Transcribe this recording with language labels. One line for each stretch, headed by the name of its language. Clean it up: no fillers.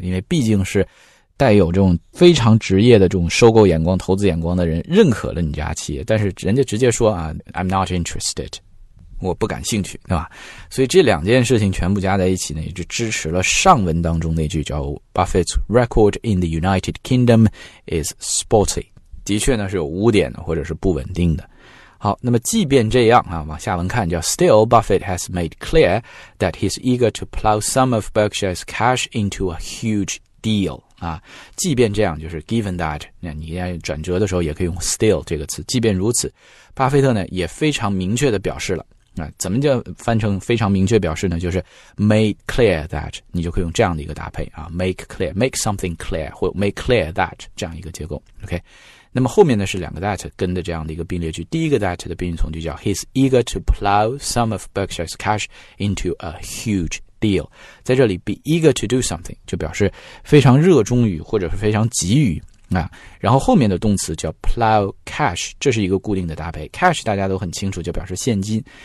Chinese: 因为毕竟是带有这种非常职业的这种收购眼光、投资眼光的人认可了你家企业，但是人家直接说啊 ，
English: I'm not interested，
Chinese: 我不感兴趣，对吧？所以这两件事情全部加在一起呢，也就支持了上文当中那句叫
English: Buffett's record in the United Kingdom is spotty，
Chinese: 的确呢是有污点的或者是不稳定的。好，那么即便这样啊，往下文看叫
English: Still Buffett has made clear that he's eager to plow some of Berkshire's cash into a huge deal。
Chinese: 啊，即便这样，就是 given that， 那你在转折的时候也可以用 still 这个词。即便如此，巴菲特呢也非常明确的表示了。啊，怎么叫翻成非常明确表示呢？就是 make clear that， 你就可以用这样的一个搭配啊 ，make clear， make something clear 或 make clear that 这样一个结构。 OK， 那么后面呢是两个 that 跟的这样的一个并列句，第一个 that 的并语从句叫
English: he's eager to plow some of Berkshire's cash into a huge deal，
Chinese: 在这里 be eager to do something 就表示非常热衷于或者是非常急于、啊、然后后面的动词叫 plow cash， 这是一个固定的搭配， cash 大家都很清楚就表示现金，